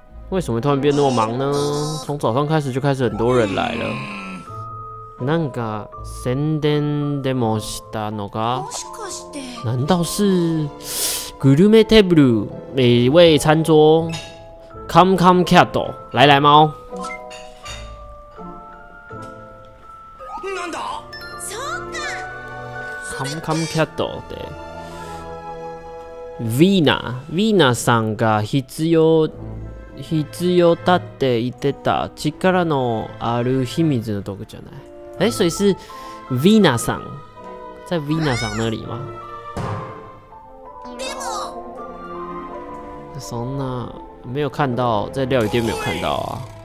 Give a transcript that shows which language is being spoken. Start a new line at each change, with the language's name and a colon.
Chinese: 为什么突然变那么忙呢？从早上开始就开始很多人来了。
Japanese: なんか宣伝でもしたのか？
Chinese: 难道是グルメテーブル美味餐桌 ？Come come cat， 来来猫。
Japanese: カムキャットで、ヴィーナさんが必要だって言ってた力のある秘密の道具じゃない？
Chinese: 哎、欸，所以是ヴィーナさん，在ヴィーナさん那里吗？そんな没有看到，在料理店没有看到啊。